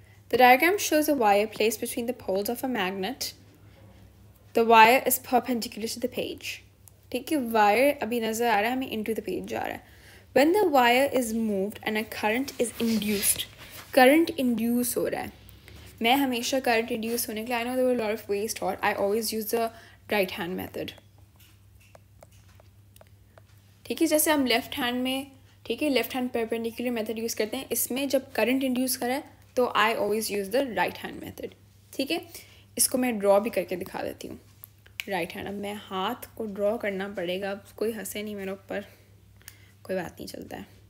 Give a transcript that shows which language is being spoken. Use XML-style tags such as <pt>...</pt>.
<en>The diagram shows a wire placed between the poles of a magnet. The wire is perpendicular to the page.</en> <hi>ठीक है wire अभी नजर आ रहा है हमें</hi> <en>into the page</en> <hi>जा रहा है.</hi> <en>When the wire is moved and a current is induced.</en> <hi>Current induce हो रहा है. मैं हमेशा current induce होने के लिए</hi> <en>I know there were a lot of ways taught. I always use the right hand method.</en> <hi>ठीक है, जैसे हम लेफ्ट हैंड में, ठीक है, left hand perpendicular method use करते हैं, इसमें जब करंट इंड्यूस करा है तो</hi> <en>I always use the right hand method.</en> <hi>ठीक है, इसको मैं ड्रॉ भी करके दिखा देती हूँ. राइट हैंड, अब मैं हाथ को ड्रॉ करना पड़ेगा, अब कोई हंसे नहीं मेरे ऊपर, कोई बात नहीं, चलता है.</hi>